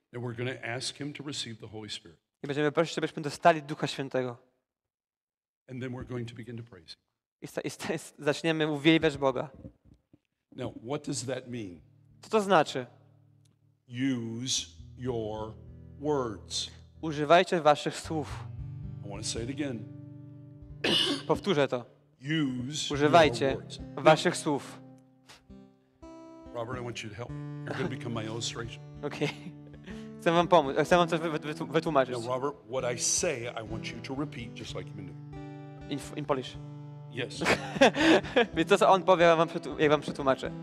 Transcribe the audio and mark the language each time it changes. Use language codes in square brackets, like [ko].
[en] And we're going to ask him to receive the Holy Spirit. [pl] I będziemy prosić, żebyśmy dostali Ducha Świętego. [en] And then we're going to begin to praise. [pl] Zaczniemy uwielbiać Boga. [en] Now, what does that mean? [pl] Co to znaczy? [en] Use your words. [pl] Używajcie waszych słów. [en] I want to say it again. [pl] Powtórzę to. [en] Use [pl] używajcie waszych słów. [en] Robert, I want you to help. You're going to become my illustration. [pl] Okay. Chcę wam pomóc. Chcę wam coś wytłumaczyć. [en] Now, Robert, what I say, I want you to repeat just like you've been doing. In Polish. Yes. [pl] Więc to, co on powie, jak wam przetłumaczę.